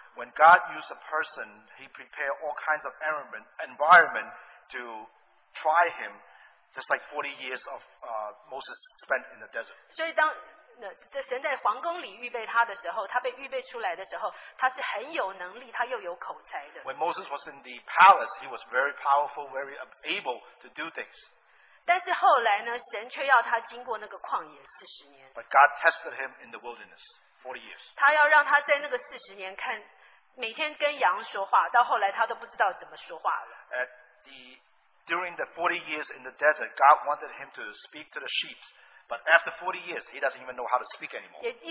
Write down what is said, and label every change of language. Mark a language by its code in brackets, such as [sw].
[en] When God used a person, he prepared all kinds of environment to try him, just like 40 years of Moses spent in the desert. [zh] 所以当神在皇宫里预备他的时候，他被预备出来的时候，他是很有能力，他又有口才的。 [en] When Moses was in the palace, he was very powerful, very able to do things. [zh] 但是后来呢，神却要他经过那个旷野40年。 [en] But God tested him in the wilderness, 40 years. [zh] 他要让他在那个40年看 每天跟羊说话，到后来他都不知道怎么说话了。 [en] During the 40 years in the desert, God wanted him to speak to the sheep, but after 40 years, he doesn't even know how to speak anymore.